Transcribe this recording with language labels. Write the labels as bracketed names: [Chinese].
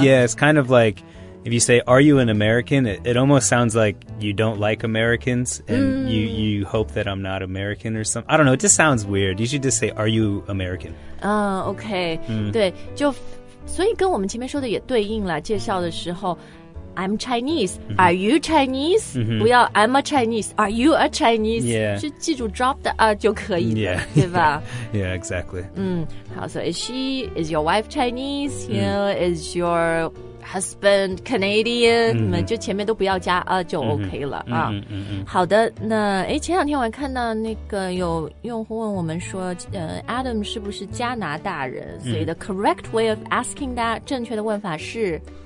[English] Yes, kind of like if you say are you an American it almost sounds like you don't like Americans and、you hope that I'm not American or something I don't know, it just sounds weird You should just say are you American、 [Chinese] Okay、对就所以跟我们前面说的也对应了介绍的时候 [English] I'm Chinese Are you Chinese?、 [Chinese] 不要 [English] I'm a Chinese Are you a Chinese?、 [Chinese] 是记住 drop 的啊就可以了、对吧 [English] Yeah, exactly、 [Chinese] 好 [English] So is your wife Chinese? You know,、is your husband Canadian?、 [Chinese] 就前面都不要加啊就 OK 了、好的那前两天我还看到那个有用户问我们说Adam 是不是加拿大人、所以 [English] the correct way of asking that [Chinese] 正确的问法是